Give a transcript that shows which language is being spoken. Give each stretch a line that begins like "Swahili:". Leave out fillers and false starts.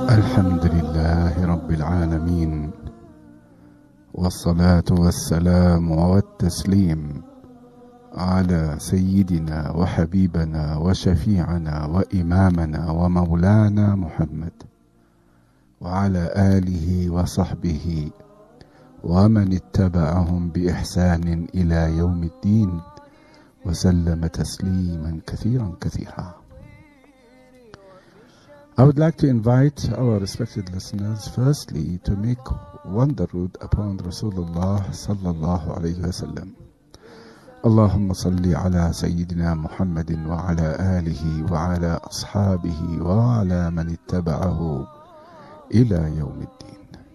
Arabic: الحمد لله رب العالمين والصلاة والسلام والتسليم على سيدنا وحبيبنا وشفيعنا وإمامنا ومولانا محمد وعلى آله وصحبه ومن اتبعهم بإحسان إلى يوم الدين وسلم تسليما كثيرا كثيرا.
English: I would like to invite our respected listeners firstly to make one darud upon Rasulullah sallallahu alayhi wa sallam.
Arabic: اللهم صل على سيدنا محمد وعلى آله وعلى أصحابه وعلى من اتبعه إلى يوم الدين.